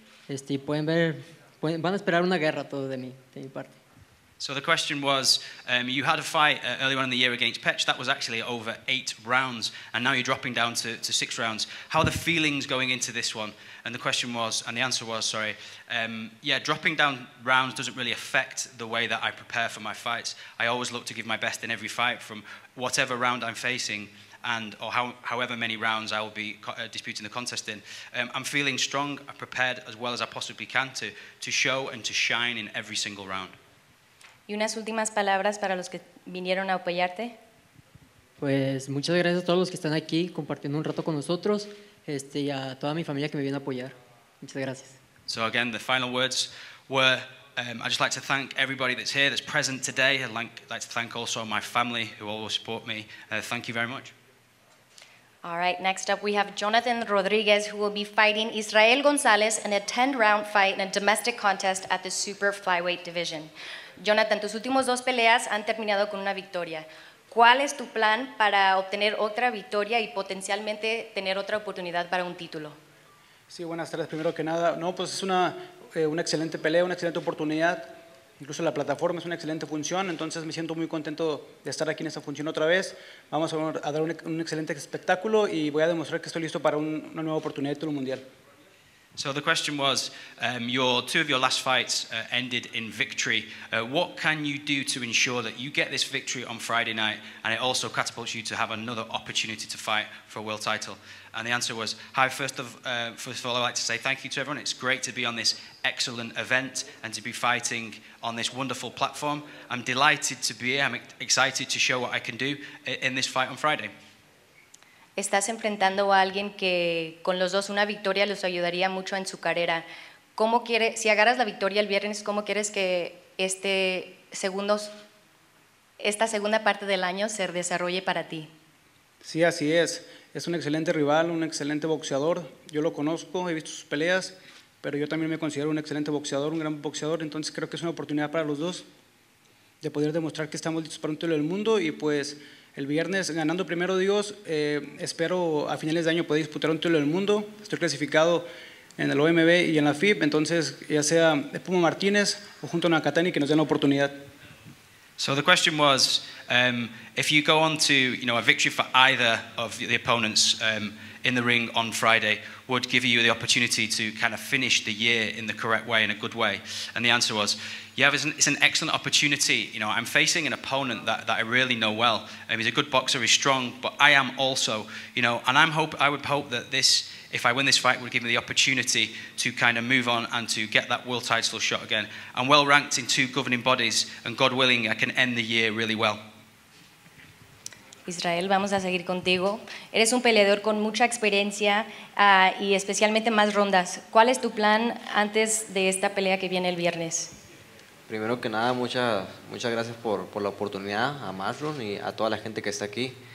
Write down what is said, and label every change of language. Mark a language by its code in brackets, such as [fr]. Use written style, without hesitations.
[es] Y pueden ver, van a esperar una guerra todo de mí, de mi parte. [en] So the question was, you had a fight earlier on in the year against Pech. That was actually over 8 rounds, and now you're dropping down to 6 rounds. How are the feelings going into this one? And the question was, and the answer was, sorry, yeah, dropping down rounds doesn't really affect the way that I prepare for my fights. I always look to give my best in every fight from whatever round I'm facing and or however many rounds I will be disputing the contest in. I'm feeling strong, I'm prepared as well as I possibly can to show and to shine in every single round. [es] Y unas últimas palabras para los que vinieron a apoyarte. Pues muchas gracias a todos los que están aquí compartiendo un rato con nosotros, y a toda mi familia que me viene a apoyar. Muchas gracias. [en] So again, the final words were, I'd just like to thank everybody that's here, that's present today. I'd like to thank also my family who always support me. Thank you very much. All right, next up we have Jonathan Rodriguez, who will be fighting Israel González in a 10-round fight in a domestic contest at the super flyweight division. [es] Jonathan, tus últimos dos peleas han terminado con una victoria. ¿Cuál es tu plan para obtener otra victoria y potencialmente tener otra oportunidad para un título? Sí, buenas tardes. Primero que nada, no, pues es una excelente pelea, una excelente oportunidad. Incluso la plataforma es una excelente función. Entonces me siento muy contento de estar aquí en esta función otra vez. Vamos a dar un excelente espectáculo y voy a demostrar que estoy listo para una nueva oportunidad de título mundial. [en] So the question was, two of your last fights ended in victory. What can you do to ensure that you get this victory on Friday night and it also catapults you to have another opportunity to fight for a world title? And the answer was, hi, first of all, I'd like to say thank you to everyone. It's great to be on this excellent event and to be fighting on this wonderful platform. I'm delighted to be here. I'm excited to show what I can do in this fight on Friday. [es] Estás enfrentando a alguien que con los dos una victoria los ayudaría mucho en su carrera. ¿Cómo quieres, si agarras la victoria el viernes, cómo quieres que esta segunda parte del año se desarrolle para ti? Sí, así es. Es un excelente rival, un excelente boxeador. Yo lo conozco, he visto sus peleas, pero yo también me considero un excelente boxeador, un gran boxeador. Entonces creo que es una oportunidad para los dos de poder demostrar que estamos listos para un título del mundo y pues... El viernes, ganando primero Dios, espero a finales de año poder disputar un título del mundo. Estoy clasificado en el OMB y en la FIB, entonces ya sea Espuma Martínez o junto a Nakatani que nos den la oportunidad. [en] So the question was, if you go on to, you know, a victory for either of the opponents in the ring on Friday, would give you the opportunity to kind of finish the year in the correct way, in a good way? And the answer was, yeah, it's an excellent opportunity. You know, I'm facing an opponent that I really know well. He's a good boxer, he's strong, but I am also, you know, and I would hope that this if I win this fight, it would give me the opportunity to kind of move on and to get that world title shot again. I'm well ranked in two governing bodies, and God willing, I can end the year really well. [es] Israel, vamos a seguir contigo. Eres un peleador con mucha experiencia y especialmente más rondas. ¿Cuál es tu plan antes de esta pelea que viene el viernes? Primero que nada, muchas gracias por la oportunidad a Matchroom y a toda la gente que está aquí.